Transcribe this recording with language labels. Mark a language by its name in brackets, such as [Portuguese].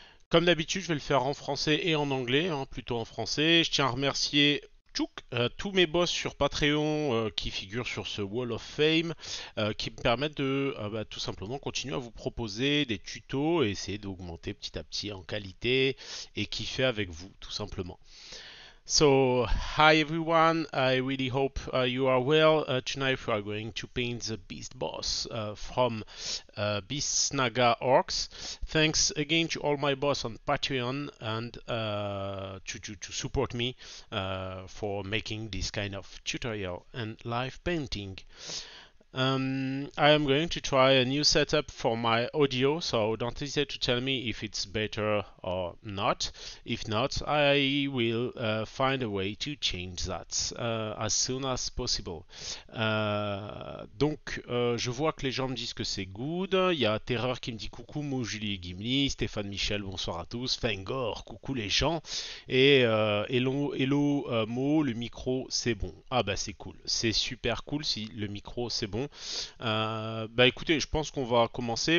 [French] Comme d'habitude, je vais le faire en français et en anglais, hein, plutôt en français. Je tiens à remercier tous mes boss sur Patreon qui figurent sur ce Wall of Fame qui me permettent de tout simplement continuer à vous proposer des tutos et essayer d'augmenter petit à petit en qualité et kiffer avec vous tout simplement. [English] So, hi everyone, I really hope you are well. Tonight we are going to paint the Beast Boss from Beast Naga Orcs. Thanks again to all my boss on Patreon and to support me for making this kind of tutorial and live painting. I am going to try a new setup for my audio, so don't hesitate to tell me if it's better or not. If not, I will find a way to change that as soon as possible. [French] Je vois que les gens me disent que c'est good. Il y a Terreur qui me dit coucou, Mo, Julie, Gimli, Stéphane, Michel, bonsoir à tous. Fengor, coucou les gens. Et hello, hello Mo, le micro c'est bon. Ah bah c'est cool, c'est super cool si le micro c'est bon. Écoutez, je pense qu'on va commencer.